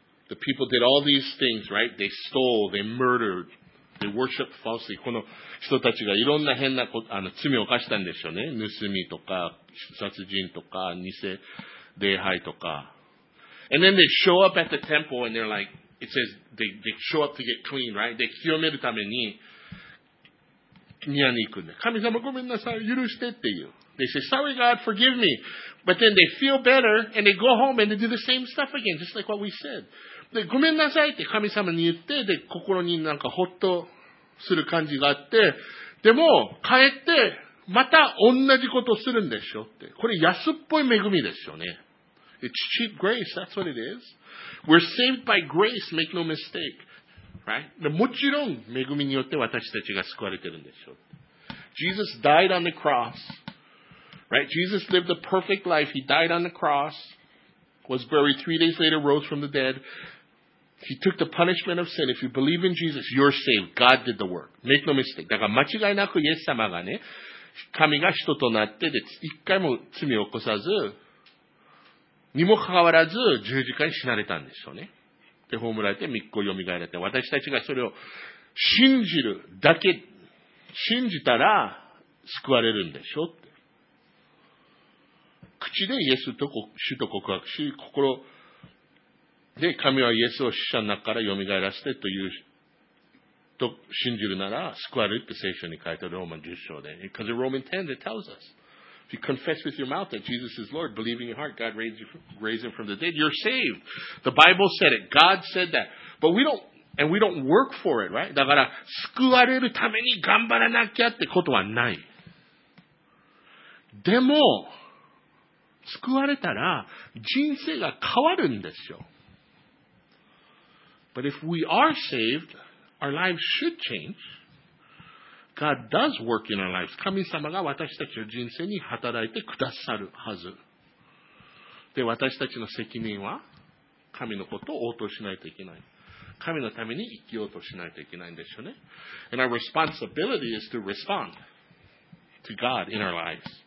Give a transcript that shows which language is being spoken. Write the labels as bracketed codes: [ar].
[en] The people did all these things, right? They stole, they murdered, they worshiped falsely. [ja] この人たちがいろんな変なこと、罪を犯したんでしょうね。盗みとか、殺人とか、偽礼拝とか。 [en] And then they show up at the temple and they're like, it says they show up to get clean, right? They [ja] 清めるために宮に行くんで。神様ごめんなさい、許してっていう。 [en] They say, sorry God, forgive me. But then they feel better and they go home and they do the same stuff again, just like what we said. [ja] で、ごめんなさいって神様に言って、で、心になんかほっとする感じがあって、でも、帰って、また同じことするんでしょって。これ安っぽい恵みですよね。 [en] It's cheap grace, that's what it is. We're saved by grace, make no mistake. Right? [ja] で、もちろん恵みによって私たちが救われてるんでしょ。 [en] Jesus died on the cross. Right? Jesus lived a perfect life. He died on the cross. Was buried 3 days later, rose from the dead. He took the punishment of sin. If you believe in Jesus, you're saved. God did the work. Make no mistake. [ja] だから間違いなくイエス様がね、神が人となってで、一回も罪を起こさず、にもかかわらず十字架に死なれたんでしょうね。で、葬られて、3日よみがえられて、私たちがそれを信じるだけ、信じたら救われるんでしょうって。口でイエスと主と告白し、心で神はイエスを死者の中からよみがえらせてという、と信じるなら救われるって聖書に書いてあるローマ10章で。 [en] Because in Romans 10 it tells us. If you confess with your mouth that Jesus is Lord, believe in your heart, God raised him from the dead, you're saved. The Bible said it. God said that. But we don't work for it, right? [ja] だから、救われるために頑張らなきゃってことはない。でも、救われたら人生が変わるんですよ。 [en] But if we are saved, our lives should change. God does work in our lives. [ja] 神様が私たちの人生に働いてくださるはず。で、私たちの責任は神のことを応答しないといけない。神のために生きようとしないといけないんですよね。 [en] And our responsibility is to respond to God in our lives.